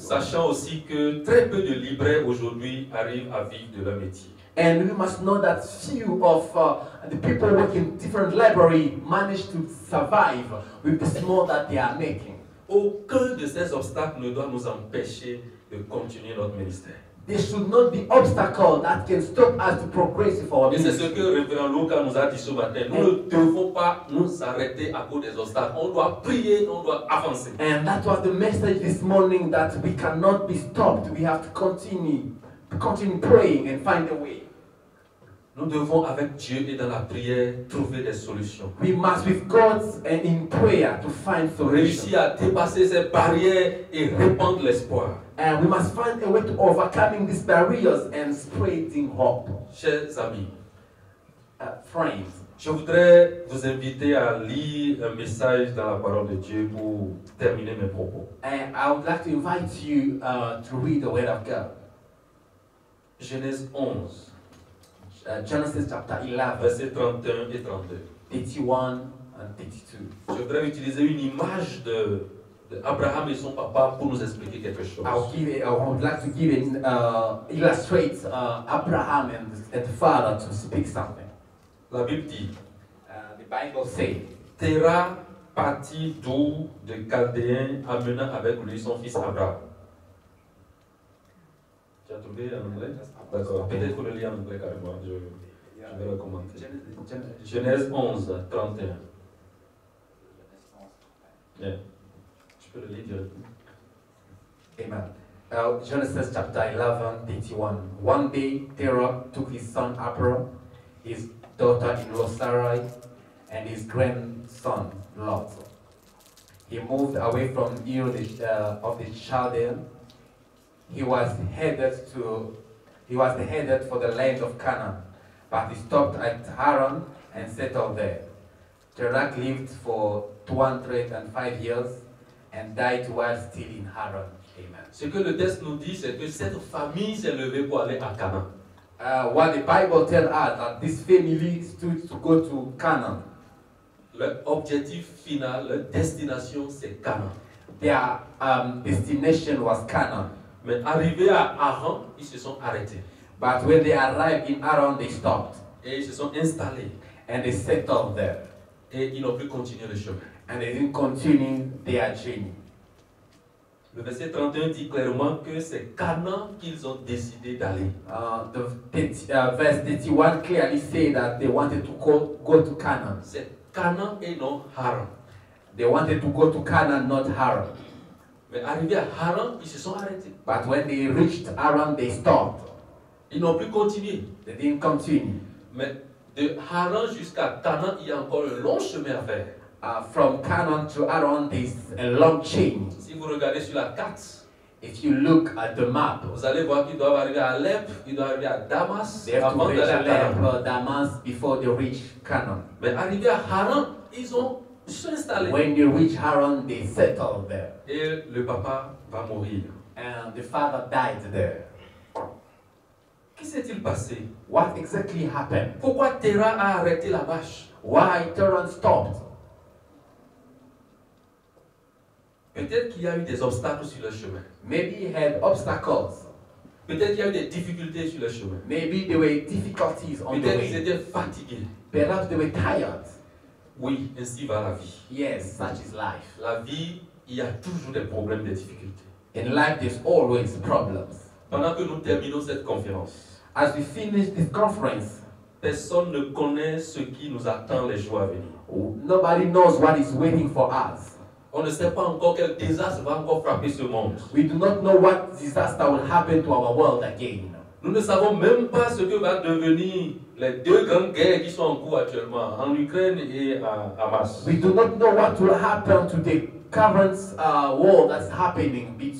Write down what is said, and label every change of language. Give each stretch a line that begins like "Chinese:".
French: Sachant aussi que très peu de libraires aujourd'hui arrivent à vivre de leur métier.
English: And we must know that few of the people working in different libraries manage to survive with the small that they are making.
French: Aucun de ces obstacles ne doit nous empêcher de continuer notre ministère.
English: There should not be obstacle that can stop us to progress for our ministry.
French: Et c'est ce que le révérend Lucas nous a dit ce matin. Nous ne devons pas nous arrêter à cause des obstacles. On doit prier, on doit avancer.
English: And that was the message this morning that we cannot be stopped. We have to continue. Continue praying and find a way.
French: Nous devons avec Dieu et dans la prière trouver des solutions.
English: We must with God and in prayer to find solutions.
French: Réussir à dépasser ces barrières et répandre l'espoir.
English: And we must find a way to overcoming these barriers and spreading hope.
French: Chers amis, phrase. Je voudrais vous inviter à lire un message dans la parole de Dieu pour terminer mes propos.
English: And I would like to invite you to read the word of God.
French: Genèse 11.
English: Genesis chapter 11.
French: Versets 31 et 32.
English: 31 and 32.
French: Je voudrais utiliser une image de Abraham et son papa pour nous expliquer quelque chose.
English: I would like to illustrate Abraham and the father to speak something.
French: La Bible dit.
English: The Bible say.
French: Terah partit d'Ur de Chaldéens, amenant avec lui son fils Abraham. Tu as trouvé en anglais? D'accord. Peut-être qu'on le lit en anglais carrément. Je vais le commenter. Genèse 11, 31. Genèse 11.
English: Amen. Genesis chapter 11, 31. One day, Terah took his son Abram, his daughter-in-law Sarai, and his grandson Lot. He moved away from Ur of the Chaldeans. He was headed for the land of Canaan, but he stopped at Haran and settled there. Terah lived for 205 years. And died while still in Haran. Amen.
French: Ce que le texte nous dit, c'est que cette famille s'est levée pour aller à Canaan.
English: What the Bible tells us that this family stood to go to Canaan.
French: Leur objectif final, leur destination, c'est Canaan.
English: Their destination was Canaan.
French: Mais arrivés à Haran, ils se sont arrêtés.
English: But when they arrived in Haran, they stopped.
French: Et ils se sont installés.
English: And they settled there.
French: Et ils n'ont plus continué le chemin.
English: And they didn't continue their journey.
French: Le verset 31 dit clairement que c'est Canaan qu'ils ont décidé d'aller.
English: Verse 31 clearly say that they wanted to go to Canaan.
French: C'est Canaan et non Haran.
English: They wanted to go to Canaan, not Haran.
French: Mais arrivés à Haran, ils se sont arrêtés.
English: But when they reached Haran, they stopped.
French: Ils n'ont plus continué.
English: They didn't continue.
French: Mais de Haran jusqu'à Canaan, il y a encore un long chemin à faire.
English: From Canaan to Haran is a long chain.
French: Si vous regardez sur la carte,
English: if you look at the map,
French: vous allez voir qu'ils doivent arriver à Alep, ils doivent arriver à Damas, avant d'aller à Canaan.
English: They have to reach Damas before they reach Canaan.
French: Mais arrivés à Haran, ils ont se installé.
English: When they reach Haran, they settled there.
French: Et le papa va mourir.
English: And the father died there.
French: Qu'est-ce qui s'est passé?
English: What exactly happened?
French: Pourquoi Terah a arrêté la vache?
English: Why Terah stopped?
French: Peut-être qu'il y a eu des obstacles sur le chemin.
English: Maybe he had obstacles.
French: Peut-être qu'il y a eu des difficultés sur le chemin.
English: Maybe there were difficulties on
French: Peut-être
English: the way.
French: Peut-être qu'ils étaient fatigués.
English: Perhaps they were tired.
French: Oui, ainsi va la vie.
English: Yes, such is life.
French: La vie, il y a toujours des problèmes, des difficultés.
English: In life, there's always problems.
French: Pendant que nous terminons cette conférence,
English: as we finish this conference,
French: personne ne connaît ce qui nous attend les jours à venir.
English: Nobody knows what is waiting for us.
French: On ne sait pas encore quel désastre va encore frapper ce monde.
English: We do not know what disaster will happen to our world again.
French: Nous ne savons même pas ce que va devenir les deux grandes guerres qui sont en cours actuellement, en Ukraine et à Hamas.
English: We do not know what will happen to the current war that's happening